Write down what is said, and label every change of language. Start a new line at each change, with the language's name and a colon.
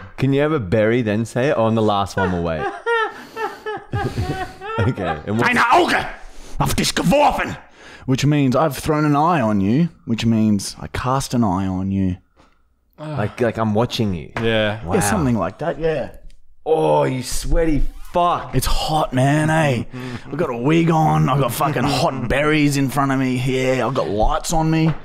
English: Can you have a berry then say it? Or on the last one we'll wait. Okay.
German: Eine Auge auf dich geworfen.
English: Which means I've thrown an eye on you, which means I cast an eye on you. Like I'm watching you. Yeah. Wow. Yeah, something like that, yeah. Oh, you sweaty fuck. It's hot, man, eh? I've got a wig on. I've got fucking hot berries in front of me. Yeah, I've got lights on me.